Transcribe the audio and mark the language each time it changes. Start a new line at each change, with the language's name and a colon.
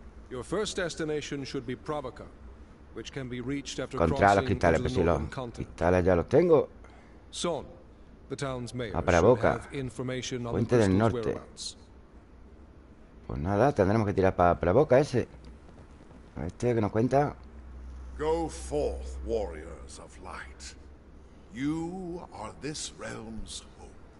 English: Your first destination should be Provoca, which can be reached after crossing
Spanish: los cristales, pues si los cristales ya los tengo.
English: Son, the town's mayor, should have information on the whereabouts.
Spanish: Pues nada, tendremos que tirar para Provoca ese. A este que nos cuenta.
English: Go forth, warriors of light. You are this realm's hope.